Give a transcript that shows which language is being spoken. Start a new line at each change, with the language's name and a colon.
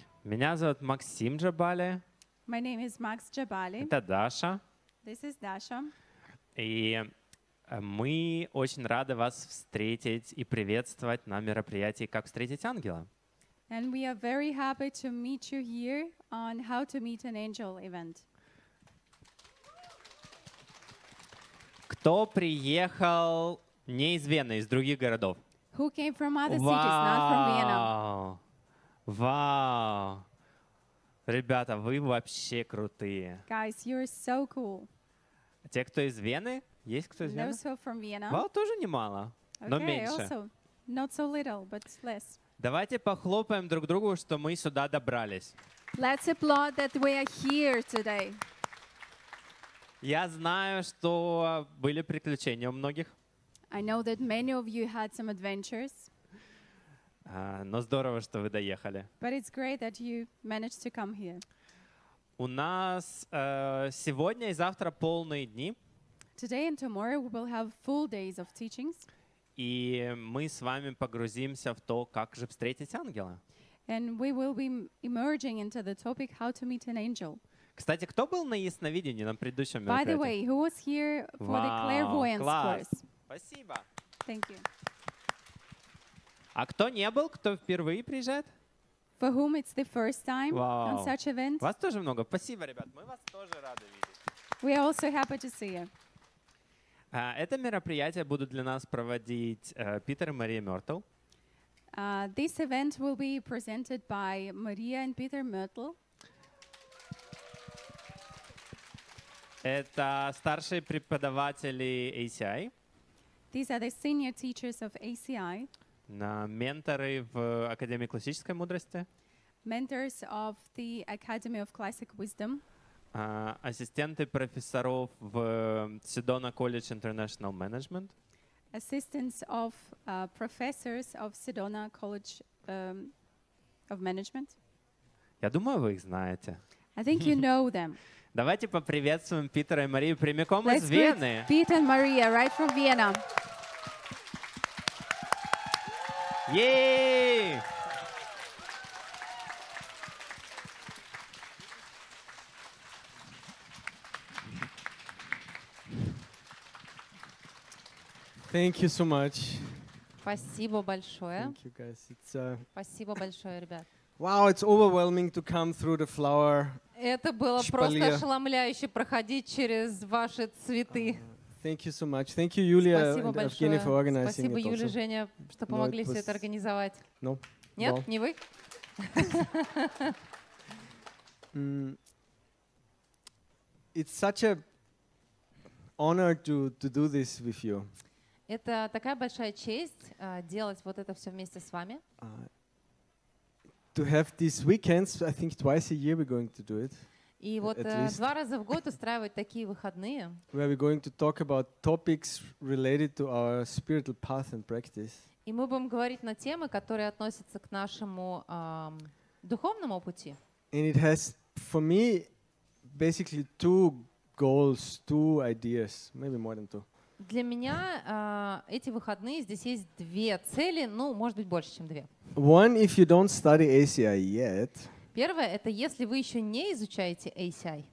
Russian: Меня зовут Максим Джабали.
English: My name is Max Jabali.
Russian: Это Даша.
English: This is Dasha.
Russian: И мы очень рады вас встретить и приветствовать на мероприятии «Как встретить ангела».
English: And we are very happy to meet you here on «How to meet an angel» event.
Russian: Кто приехал не из Вены, из других городов?
English: Who came from other cities, not from Vienna? Вау!
Russian: Ребята, вы вообще крутые.
English: Guys, you're so cool.
Russian: Те, кто из Вены? Есть кто из Вены?
English: Those who are from Vienna.
Russian: Вау, тоже немало, но меньше.
English: Okay, also. Not so little, but less.
Russian: Давайте похлопаем друг другу, что мы сюда добрались.
English: Let's applaud that we are here today.
Russian: Я знаю, что были приключения у многих.
English: I know that many of you had some adventures.
Russian: Но здорово, что вы доехали.
English: But it's great that you managed to come here.
Russian: У нас сегодня и завтра полные дни.
English: Today and tomorrow we will have full days of teachings.
Russian: И мы с вами погрузимся в то, как же встретить ангела.
English: And we will be emerging into the topic how to meet an angel.
Russian: Кстати, кто был на ясновидении на предыдущем мероприятии?
English: By the way, who was here for the clairvoyance course?
Russian: Спасибо.
English: Thank you.
Russian: А кто не был, кто впервые приезжает?
English: For whom it's the first time on such event?
Russian: Вас тоже много. Спасибо, ребят. Мы вас тоже рады видеть.
English: We are also happy to see you.
Russian: Это мероприятие будут для нас проводить Питер и Мария Мёртл.
English: This event will be presented by Maria and Peter Myrtle.
Russian: Это старшие преподаватели ACI.
English: These are the senior teachers of ACI.
Russian: Менторы в Академии классической мудрости.
English: Mentors of the Academy of Classic Wisdom.
Russian: Ассистенты профессоров в Sedona College International Management.
English: Assistants of professors of Sedona College of Management.
Russian: Я думаю, вы их знаете.
English: I think you know them.
Russian: Давайте поприветствуем Питера и Марию прямиком из Вены.
English: Peter and Maria, right from Vienna. Yay! Thank you so much.
Russian: Спасибо большое.
English: Thank you guys. It's
Russian: Спасибо большое, ребят.
English: Wow, it's overwhelming to come through the flower.
Russian: Это было просто ошеломляюще проходить через ваши цветы.
English: Thank you so much. Thank you, Yulia and Evgeny, for organizing it.
Russian: Спасибо, Юля, Женя, что помогли все это организовать.
English: No.
Russian: Нет, не вы.
English: It's such a honor to do this with you.
Russian: Это такая большая честь делать вот это все вместе с вами.
English: To have these weekends, I think twice a year we're going to do it.
Russian: И вот два раза в год устраивать такие выходные.
English: Where we're going to talk about topics related to our spiritual path and practice.
Russian: И мы будем говорить на темы, которые относятся к нашему духовному пути.
English: And it has, for me, basically two goals, two ideas, maybe more than two.
Russian: Для меня эти выходные здесь есть две цели, ну, может быть, больше, чем две.
English: One, if you don't study ACI yet.
Russian: Первое — это если вы еще не изучаете ACI.